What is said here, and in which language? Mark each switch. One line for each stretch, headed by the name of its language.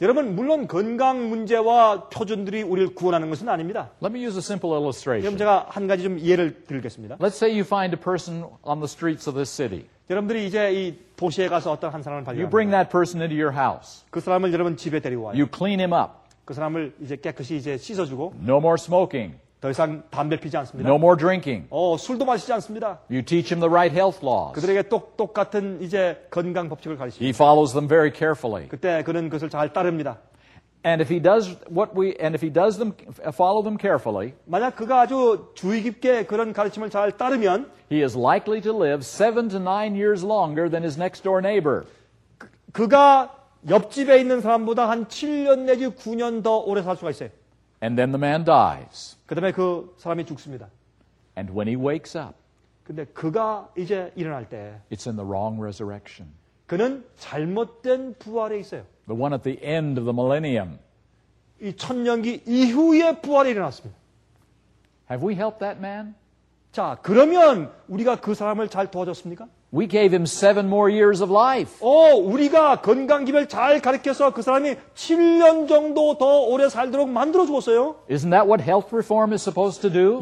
Korean: 여러분, 물론 건강 문제와 표준들이 우리를 구원하는 것은 아닙니다.
English: Let me use a simple illustration.
Korean: 그럼 제가 한 가지 좀 예를 들겠습니다.
English: Let's say you find a person on the streets of this city.
Korean: 여러분들이 이제 이 도시에 가서 어떤 한 사람을 발견합니다.
English: You bring that person into your house.
Korean: 그 사람을 여러분 집에 데리고 와요.
English: You clean him up.
Korean: 그 사람을 이제 깨끗이 이제 씻어주고.
English: No more smoking.
Korean: 더 이상 담배 피지 않습니다.
English: No more drinking.
Korean: 술도 마시지 않습니다.
English: You teach him the right health laws.
Korean: 그들에게 똑같은 이제 건강 법칙을 가르치십니다.
English: He follows them very carefully.
Korean: 그때 그는 그것을 잘 따릅니다.
English: And if he does what we and if he does them follow them carefully.
Korean: 만약 그가 아주 주의 깊게 그런 가르침을 잘 따르면
English: he is likely to live 7 to 9 years longer than his next door neighbor.
Korean: 그가 옆집에 있는 사람보다 한 7년 내지 9년 더 오래 살 수가 있어요.
English: And then the man dies.
Korean: 그다음에 그 사람이 죽습니다.
English: And when he wakes up.
Korean: 근데 그가 이제 일어날 때
English: It's in the wrong resurrection.
Korean: 그는 잘못된 부활에 있어요.
English: The one at the end of the millennium.
Korean: 이 천년기 이후에 부활이 일어났습니다.
English: Have we helped that man?
Korean: 자, 그러면 우리가 그 사람을 잘 도와줬습니까?
English: We gave him 7 more years of life.
Korean: 오, 우리가 건강 기별 잘 가르쳐서 그 사람이 7년 정도 더 오래 살도록 만들어 주었어요.
English: Isn't that what health reform is supposed to do?